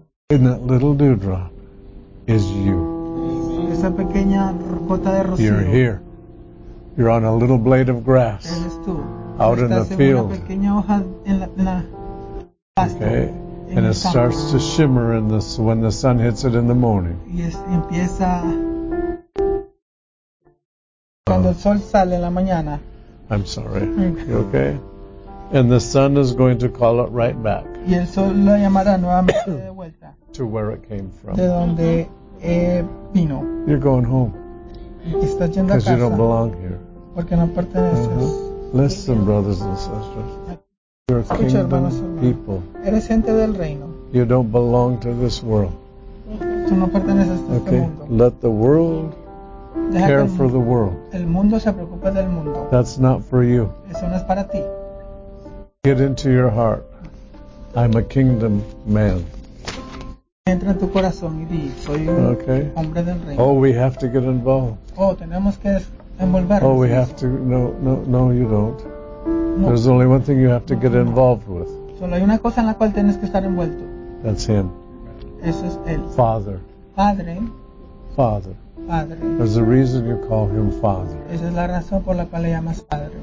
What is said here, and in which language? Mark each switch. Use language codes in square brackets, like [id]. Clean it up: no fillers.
[en] And that little dewdrop is you. [es] Esa pequeña gota de rocío. [en] You're here. You're on a little blade of grass. [es] Eres tú. [en] Out [es] estás [en] in the field. [es] Una pequeña hoja en la pasta. [en] Okay. And it starts to shimmer in this when the sun hits it in the morning. [es] Yes, empieza cuando el sol sale en la mañana. [en] I'm sorry. You okay? And the sun is going to call it right back. [es] Y el sol lo llamará nuevamente de vuelta. [en] To where it came from. [es] De donde vino. [en] You're going home. [es] Estás yendo a casa. [en] Because you don't belong here. [es] Porque no perteneces. [en] Uh-huh. Listen, brothers and sisters. You're kingdom people. [es] Eres gente del reino. [en] You don't belong to this world. [es] Tú no perteneces a este mundo. [en] Okay. Let the world care for the world. [es] El mundo se preocupa del mundo. [en] That's not for you. [es] Eso no es para ti. [en] Get into your heart. I'm a kingdom man. [es] Entra en tu corazón y di, soy un hombre del reino. [en] Oh, we have to get involved. [es] Oh, tenemos que envolvernos. [en] Oh, we have to. No, you don't. [es] No. [en] There's only one thing you have to get involved with. [es] Solo hay una cosa en la cual tienes que estar envuelto. [en] That's him. [es] Eso es él. [en] Father. [es] Padre. [en] Father. [es] Padre. [en] There's a reason you call him Father. [es] Esa es la razón por la cual le llamas Padre.